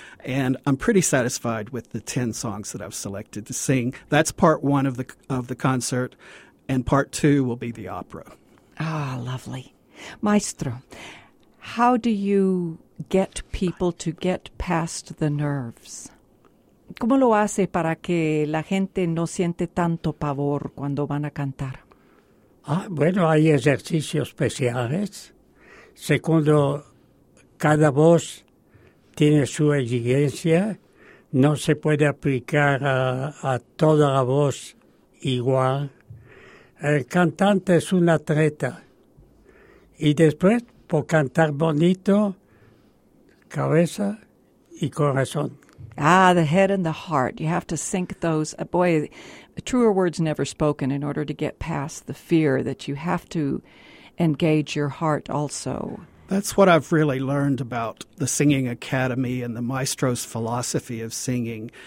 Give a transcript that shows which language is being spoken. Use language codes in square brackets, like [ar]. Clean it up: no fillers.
[en] And I'm pretty satisfied with the 10 songs that I've selected to sing. That's part one of the concert, and part two will be the opera. Ah, lovely. Maestro, how do you get people to get past the nerves? [es] ¿Cómo lo hace para que la gente no siente tanto pavor cuando van a cantar? Ah, bueno, hay ejercicios especiales. Segundo, cada voz tiene su exigencia. No se puede aplicar a toda la voz igual. El cantante es un atleta. Y después, por cantar bonito, cabeza y corazón. [en] Ah, the head and the heart. You have to sync those. Boy, truer words never spoken in order to get past the fear that you have to engage your heart also. That's what I've really learned about the Singing Academy and the maestro's philosophy of singing.